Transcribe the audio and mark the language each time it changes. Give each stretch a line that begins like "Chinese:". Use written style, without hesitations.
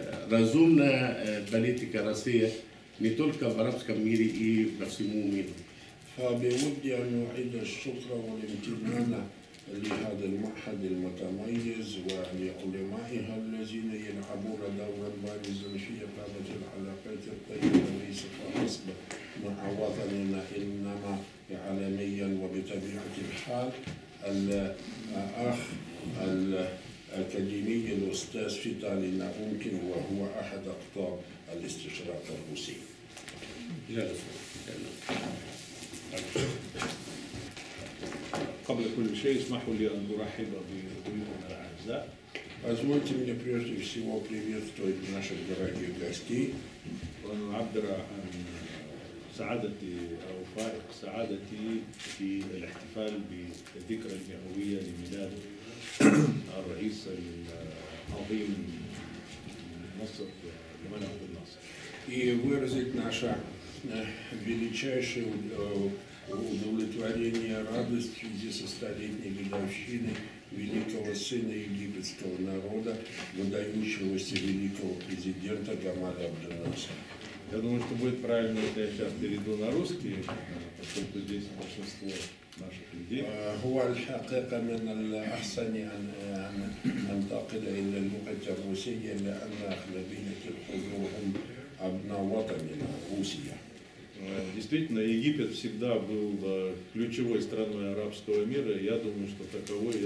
Russian: разумная политика России не только в арабском мире и по всему миру.
Arabic: فبودي أن أعيد الشكر والامتنان لهذا المعهد المتميز ولعلمائها الذين يلعبون دورا بارزا في إقامة العلاقات الطيبة ليس فحسب مع وطننا إنما عالميا وبطبيعة الحال الأخ الأكاديمي الأستاذ فيتالي ناومكن وهو أحد أقطاب الاستشراق الروسي. قبل كل شيء اسمحوا لي أن أرحب بضيوفنا الأعزاء.
Russian: Позвольте мне прежде всего приветствовать наших дорогих гостей.
Arabic: وأن أعبر عن سعادتي أو فائق سعادتي في الاحتفال بالذكرى المئوية لميلاد الرئيس العظيم مصر جمال عبد الناصر.
Russian: И выразить наше величайшее удовлетворение радость в связи со столетней годовщиной великого сына египетского народа, выдающегося великого президента Гамаля Абдель-Насера. Я думаю, что будет правильно, если я сейчас перейду на русский, поскольку здесь большинство наших людей.
Arabic: هو الحقيقة من الأحسن أن أنتقل إلى اللغة الروسية لأن أغلبية الحضور هم أبناء وطننا روسيا.
Russian: Действительно, Египет всегда был ключевой страной арабского мира, и я думаю, что таковой и